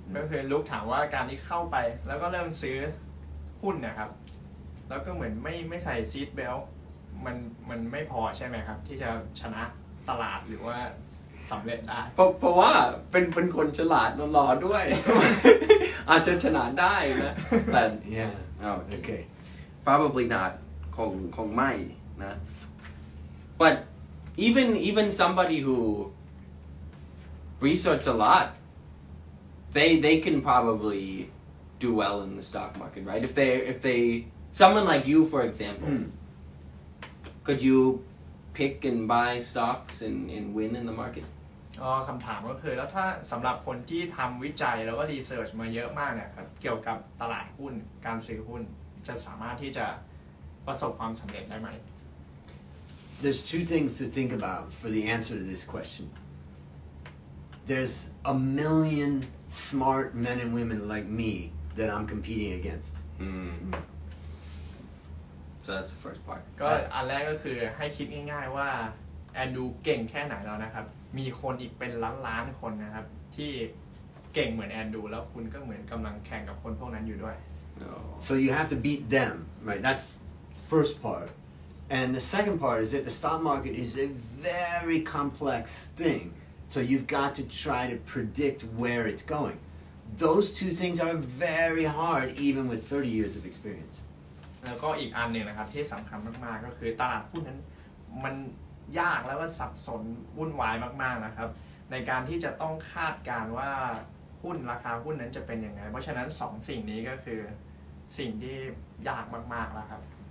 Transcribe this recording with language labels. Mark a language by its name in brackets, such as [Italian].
[Thai] ก็คือลูกถามว่าการที่เข้าไปแล้วก็เริ่มซื้อหุ้นนะครับแล้วก็เหมือนไม่ใส่ซีทเบลต์มันไม่พอใช่ไหมครับที่จะชนะตลาดหรือว่าสำเร็จได้ เพราะว่าเป็นคนฉลาดหล่อด้วย อาจจะชนะได้นะ แต่ [English] yeah okay probably not [Thai] คงไม่นะ [English] but even somebody who research a lot they can probably do well in the stock market right if they someone like you for example could youpick and buy stocks and win in the market. [Thai] อ๋อคำถามก็คือแล้วถ้าสำหรับคนที่ทำวิจัยแล้วก็รีเสิร์ชมาเยอะมากเนี่ยครับเกี่ยวกับตลาดหุ้นการซื้อหุ้นจะสามารถที่จะประสบความสำเร็จได้ไหม [English] There's two things to think about for the answer to this question. There's a million smart men and women like me that I'm competing against. So that's the first part. [Thai] ก็อันแรกก็คือให้คิดง่ายๆว่าแอนดูเก่งแค่ไหนแล้วนะครับมีคนอีกเป็นล้านๆคนนะครับที่เก่งเหมือนแอนดูแล้วคุณก็เหมือนกำลังแข่งกับคนพวกนั้นอยู่ด้วย [English] So you have to beat them, right? That's first part. And the second part is that the stock market is a very complex thing. So you've got to try to predict where it's going. Those two things are very hard, even with 30 years of experience. [Thai] แล้วก็อีกอันหนึ่งนะครับที่สำคัญมากๆก็คือตลาดหุ้นนั้นมันยากแล้วก็สับสนวุ่นวายมากๆนะครับในการที่จะต้องคาดการณ์ว่าหุ้นราคาหุ้นนั้นจะเป็นยังไงเพราะฉะนั้นสองสิ่งนี้ก็คือสิ่งที่ยากมากๆแล้วครับ